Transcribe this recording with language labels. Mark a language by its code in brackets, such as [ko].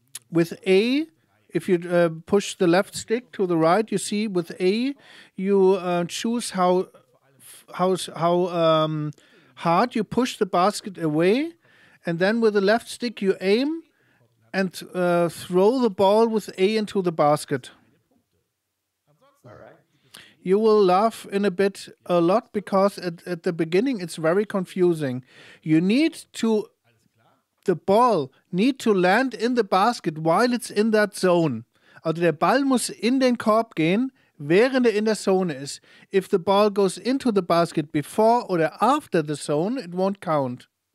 [en] With A, if you push the left stick to the right, you see with A, you choose how hard you push the basket away, and then with the left stick you aim and throw the ball with A into the basket. All right. you will laugh in a bit a lot because at the beginning it's very confusing. You need to, the ball need to land in the basket while it's in that zone. [de] Also der Ball muss in den Korb gehen, während er in der Zone ist. [en] If the ball goes into the basket before or after the zone, it won't count.